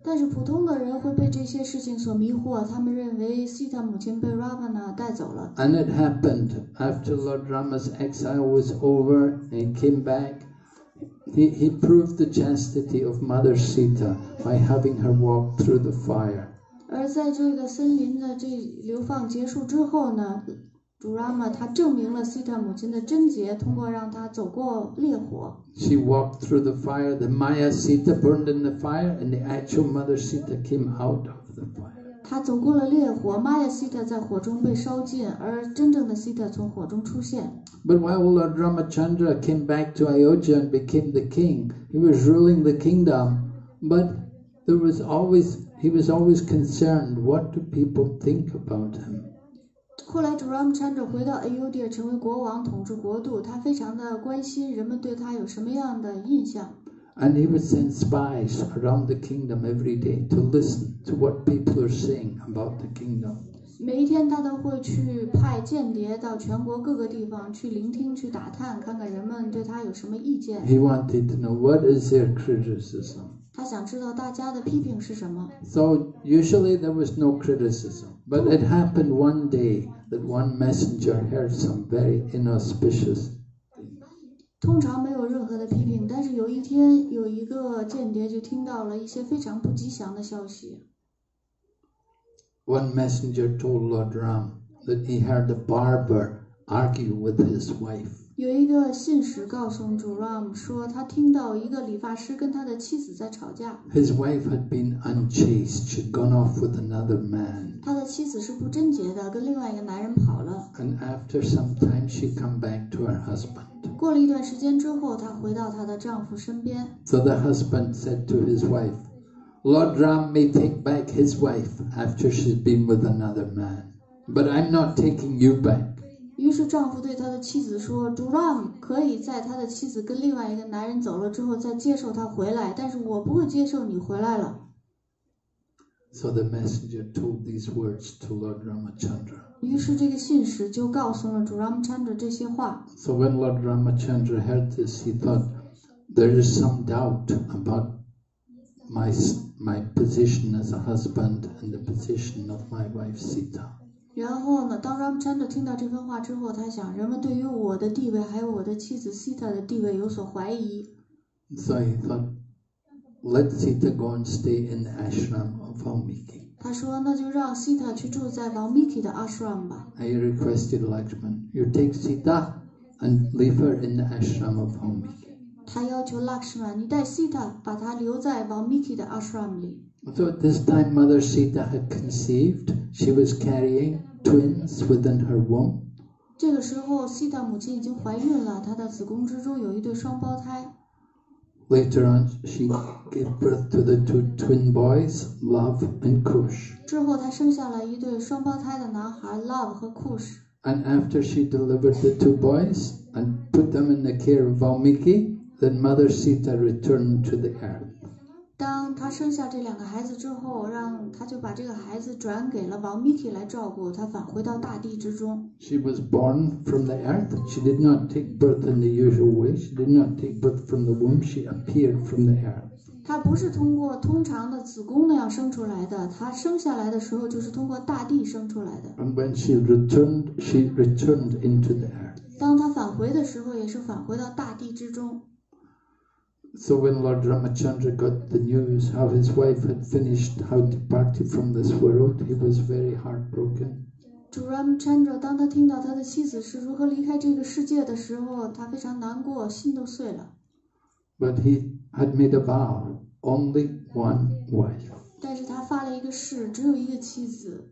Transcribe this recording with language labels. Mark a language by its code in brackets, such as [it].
[zh] 但是普通的人会被这些事情所迷惑，他们认为 Sita 母亲被 Ravana 带走了。 [en] And it happened after Lord Rama's exile was over and came back. He proved the chastity of Mother Sita by having her walk through the fire. [zh] 而在这个森林的这流放结束之后呢？主拉玛他证明了西塔母亲的贞洁，通过让他走过烈火。 [en] She walked through the fire. The Maya Sita burned in the fire, and the actual mother Sita came out of the fire. [zh] 她走过了烈火，玛雅西塔在火中被烧尽，而真正的西塔从火中出现。 [en] But while Lord Ramachandra came back to Ayodhya and became the king, he was ruling the kingdom. But there was always he was always concerned. What do people think about him? [zh] 后来，主 Ramachandra 回到 Ayodhya 成为国王，统治国度。他非常的关心人们对他有什么样的印象。 [en] And he would send spies around the kingdom every day to listen to what people are saying about the kingdom. [zh] 每一天，他都会去派间谍到全国各个地方去聆听、去打探，看看人们对他有什么意见。 [en] He wanted to know what is their criticism. [zh] 他想知道大家的批评是什么。 [en] So usually there was no criticism. But it happened one day that one messenger heard some very inauspicious things. [zh] 通常没有任何的批评，但是有一天有一个间谍就听到了一些非常不吉祥的消息。 [en] One messenger told Lord Ram that he heard a barber argue with his wife. [zh] 有一个信使告诉主 Ram 说，他听到一个理发师跟他的妻子在吵架。 [en] His wife had been unchaste. She'd gone off with another man. [zh] 他的妻子是不贞洁的，跟另外一个男人跑了。 [en] And after some time, she came back to her husband. [zh] 过了一段时间之后，她回到她的丈夫身边。 [en] So the husband said to his wife, "Lord Ram may take back his wife after she's been with another man, but I'm not taking you back." [zh] 于是丈夫对他的妻子说，主 Ram 可以在他的妻子跟另外一个男人走了之后再接受他回来，但是我不会接受你回来了。 [en] So the messenger told these words to Lord Ramachandra. [zh] 于是这个信使就告诉了主 Ramachandra 这些话。 [en] So when Lord Ramachandra heard this, he thought, there is some doubt about my position as a husband and the position of my wife Sita. [zh] 然后呢，当 Ramachandra 听到这番话之后，他想，人们对于我的地位还有我的妻子 Sita 的地位有所怀疑。 [en] So he thought,Let Sita go and stay in the ashram of Valmiki. [zh] 他说，那就让 Sita 去住在 Valmiki 的 ashram 吧。 [en] And he requested Lakshman, you take Sita and leave her in the ashram of Valmiki. [zh] 他要求 Lakshman, 你带 Sita 把她留在 Valmiki 的 ashram 里。 [en] So at this time, Mother Sita had conceived. She was carrying twins within her womb. [zh] 这个时候 ，Sita 母亲已经怀孕了，她的子宫之中有一对双胞胎。 [en] Later on, she gave birth to the two twin boys, Love and Kush. [zh] 之后，她生下了一对双胞胎的男孩 ，Love 和 Kush. [en] And after she delivered the two boys and put them in the care of Valmiki, then Mother Sita returned to the earth. [zh] 当她生下这两个孩子之后，让她就把这个孩子转给了 Valmiki 来照顾，她返回到大地之中。 [en] She was born from the earth. She did not take birth in the usual way. She did not take birth from the womb. She appeared from the earth. [zh] 她不是通过通常的子宫那样生出来的，她生下来的时候就是通过大地生出来的。 [en] And when she returned into the earth. [zh] 当她返回的时候，也是返回到大地之中。 [en] So when Lord Ramachandra got the news how his wife had finished, how departed from this world, he was very heartbroken. [zh] 主 Ramachandra 当他听到他的妻子是如何离开这个世界的时候，他非常难过，心都碎了。 [en] But he had made a vow, only one wife. [zh] 但是他发了一个誓，只有一个妻子。